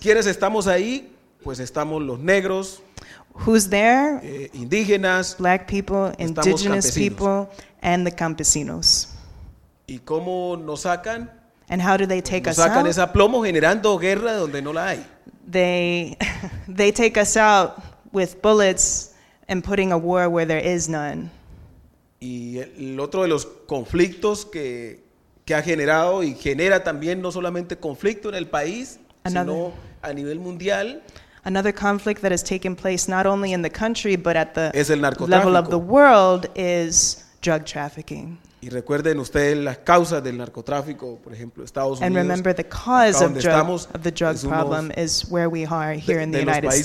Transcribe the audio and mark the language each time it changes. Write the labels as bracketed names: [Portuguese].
[Spanish] ¿Quiénes estamos ahí? Pues estamos los negros, [English] who's there? [Spanish] Indígenas, [English] black people, indigenous people, and the campesinos. [Spanish] ¿Y cómo nos sacan? [English] And how do they take us out? [Spanish] Sacan ese plomo generando guerra donde no la hay. [English] They take us out with bullets and putting a war where there is none. [Spanish] Y el otro de los conflictos que ha generado y genera también no solamente conflicto en el país, [English] another, [Spanish] sino a nivel mundial. [English] Another conflict that has taken place not only in the country but at the [Spanish] es el narcotráfico. [English] Level of the world is drug trafficking. [Spanish] Y recuerden ustedes las causas del narcotráfico, por ejemplo, Estados Unidos. [English] And remember the cause of, [Spanish] estamos, [English] of the drug problem is where we are here in the United States.